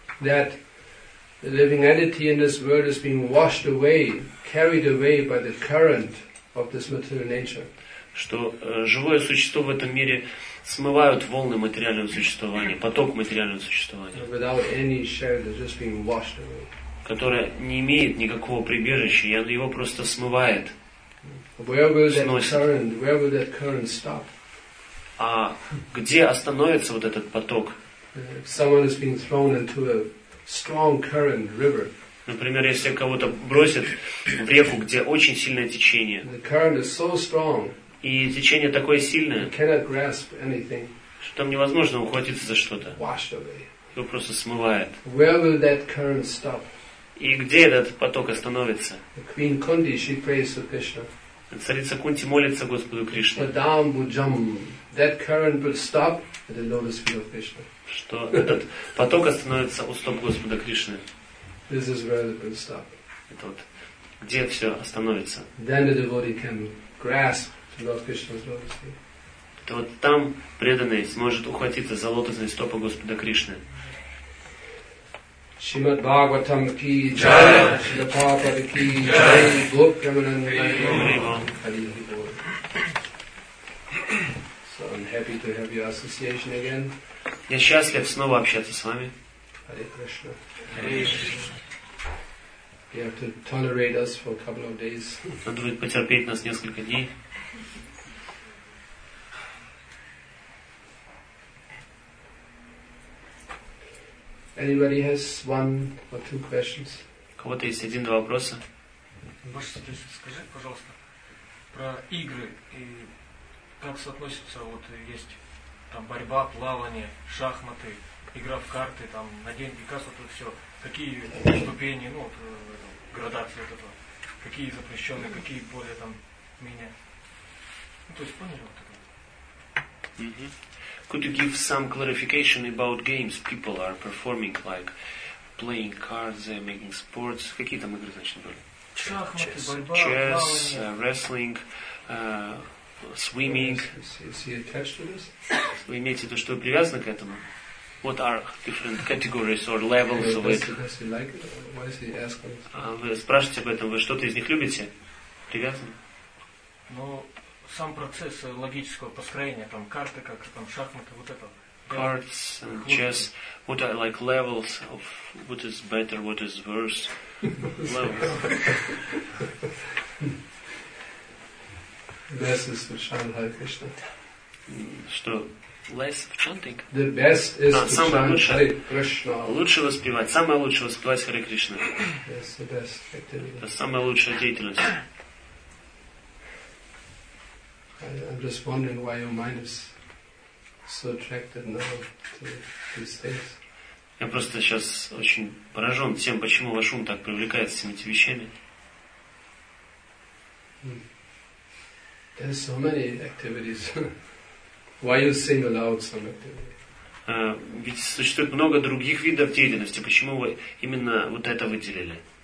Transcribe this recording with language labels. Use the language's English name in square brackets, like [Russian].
[English] That the living entity in this world is being washed away, carried away by the current of this material nature. [Russian] Что живое существо в этом мире смывают волны материального существования, поток материального существования. [English] Without any shelter, just being washed away. [Russian] Которое не имеет никакого прибежища, и оно его просто смывает. [English] Where will that current, stop? [Russian] А где остановится вот этот поток? [English] If someone is being thrown into a strong current river. [Russian] Например, если кого-то бросят в реку, где очень сильное течение. [English] The current is so strong. [Russian] И течение такое сильное. [English] You cannot grasp anything. [Russian] Что там невозможно ухватиться за что-то. [English] Washed away. [Russian] Его просто смывает. [English] Where will that current stop? [Russian] И где этот поток остановится? [English] Queen Kunti, she prays to Krishna. [Russian] Царица Кунти молится Господу Кришне. [English] Padam Bhujam, that current will stop at the lotus feet of Krishna. [Russian] Что этот поток остановится у стоп Господа Кришны? [English] This is where it will stop. [Russian] Это вот где все остановится? [English] Then the devotee can grasp the Lord Krishna's lotus feet. [Russian] Это вот там преданный сможет ухватиться за лотосные стопы Господа Кришны. [Hindi] Shrimad Bhagavatam ki jai, [English] Shrila Prabhupada ki jai, Gopyamananda ki jai, So I'm happy to have your association again. [Russian] Я счастлив снова общаться с вами. [English] Hare Krishna. You have to tolerate us for a couple of days. [Russian] Надо будет потерпеть нас несколько дней. [English] Anybody has one or two questions? [Russian] У кого-то есть один-два вопроса? Скажи, пожалуйста, про игры и как соотносится, вот есть там борьба, плавание, шахматы, игра в карты, там на деньги, как вот это все, какие ступени, ну вот градации вот этого, какие запрещенные, какие более там менее. Ну то есть поняли вот это? [English] Could you give some clarification about games people are performing, like playing cards, they're making sports? [Russian] Какие там игры, значит, были? [English] Chess, wrestling, swimming. Is he attached to this? [Russian] Вы имеете в виду, что вы привязаны к этому? [English] What are different categories or levels of it? Does he like it? Why is he asking? [Russian] Вы спрашиваете об этом, вы что-то из них любите? Привязаны? Сам процесс логического построения, там карты, как там шахматы, вот это. [English] Cards and chess. What are like levels of what is better, what is worse? Levels. Less is for Shanghai Krishna. [Russian] Что? [English] Less of chanting? The best is for Shanghai Krishna. [Russian] Лучше воспевать. Самое лучшее воспевать Харе Кришна. [English] That's the best activity. [Russian] Это самая лучшая деятельность. [English] I'm just wondering why your mind is so attracted now to these things. [Russian] Я просто сейчас очень поражен тем, почему ваш ум так привлекается всеми этими вещами. [English] There's so many activities. Why you single out some activities? [Russian] Ведь существует много других видов деятельности. Почему вы именно вот это выделили?